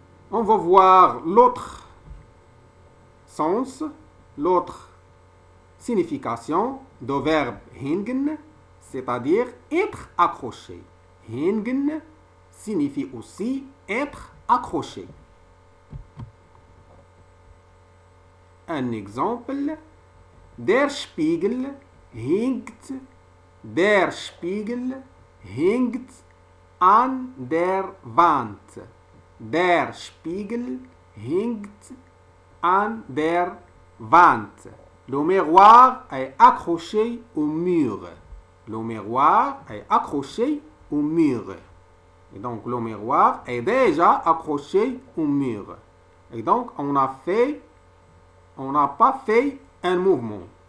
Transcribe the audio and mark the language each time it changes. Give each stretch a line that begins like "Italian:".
French: On va voir l'autre sens, l'autre signification du verbe hängen, c'est-à-dire être accroché. Hängen signifie aussi être accroché. Un exemple.
German: Der Spiegel hängt an der Wand. Der Spiegel hängt an der Wand.
French: Le miroir est accroché au mur. Le miroir est accroché au mur. Et donc, le miroir est déjà accroché au mur. Et donc, on n'a pas fait un mouvement.